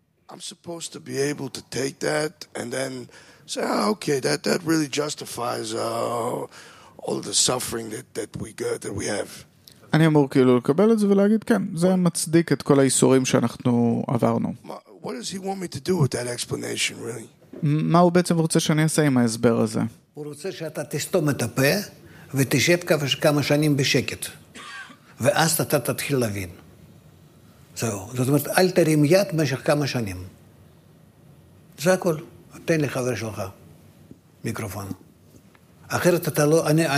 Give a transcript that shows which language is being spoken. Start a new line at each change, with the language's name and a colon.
English: I'm supposed to be able to take that and then say okay that really justifies all the suffering that we got that we have
Hebrew: אני אמור כאילו לקבל את זה ולהגיד כן זה מצדיק את כל האיסורים שאנחנו עברנו
English: what does he want me to do with that explanation really
Hebrew: מה הוא בעצם רוצה שאני אעשה עם ההסבר הזה הוא רוצה שאתה תסתום את הפה ותשב כמה שנים בשקט. ואז אתה תתחיל להבין. זהו. זאת אומרת, אל תרים יד במשך כמה שנים. זה הכל. תן לחבר שלך מיקרופון. אחרת אתה לא...